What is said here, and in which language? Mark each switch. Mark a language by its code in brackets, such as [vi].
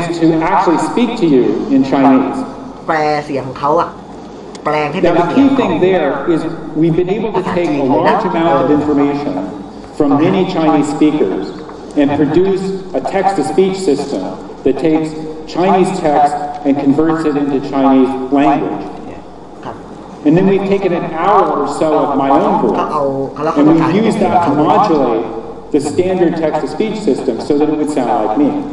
[en] is to actually speak to you in Chinese [th] แปลเสียงของเขาอ่ะแปลงให้ ได้ [en] The key thing there is we've been able to take a large amount of information from many Chinese speakers and produce a text-to-speech system that takes Chinese text and converts it into Chinese language. And then we've taken an hour or so of my own voice and we've used that to modulate the standard text-to-speech system so that it would sound like me.